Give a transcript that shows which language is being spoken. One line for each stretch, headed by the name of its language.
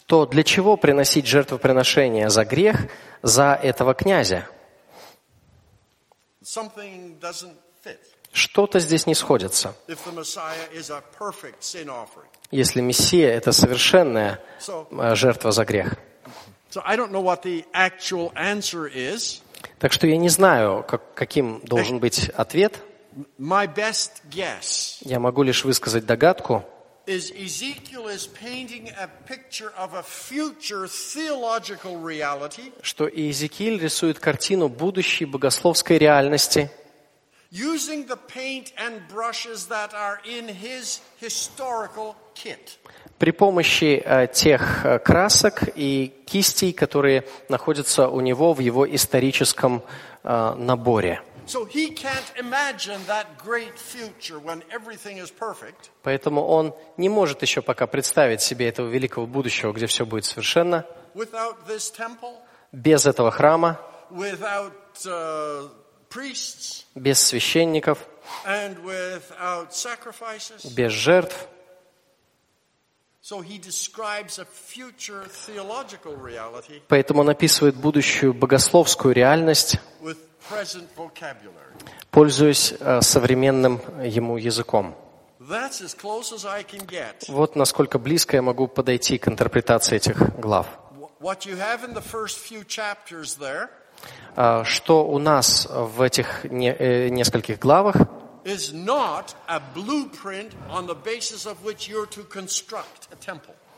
Russian: То для чего приносить жертвоприношения за грех за этого князя?
English: Something doesn't fit.
Russian: Что-то здесь не сходится.
English: If the Messiah is a perfect sin offering.
Russian: Если Мессия это совершенная жертва за грех.
English: So I don't know what the actual answer is.
Russian: Так что я не знаю, каким должен быть ответ.
English: My best guess.
Russian: Я могу лишь высказать догадку.
English: Is Ezekiel is painting a picture of a future theological reality?
Russian: Что Иезекииль рисует картину будущей богословской реальности?
English: Using the paint and brushes that are in his historical kit.
Russian: При помощи тех красок и кистей, которые находятся у него в его историческом наборе.
English: So he can't imagine that great future when everything is perfect.
Russian: Поэтому он не может еще пока представить себе этого великого будущего, где все будет совершенно.
English: Without this temple.
Russian: Без этого храма.
English: Without priests.
Russian: Без священников.
English: And without sacrifices.
Russian: Без жертв.
English: So he describes a future theological reality.
Russian: Поэтому он описывает будущую богословскую реальность.
English: Present vocabulary.
Russian: Пользуясь современным ему языком.
English: That's as close as I can get.
Russian: Вот насколько близко я могу подойти к интерпретации этих глав.
English: What you have in the first few chapters there,
Russian: что у нас в этих нескольких главах,
English: is not a blueprint on the basis of which you're to construct a temple.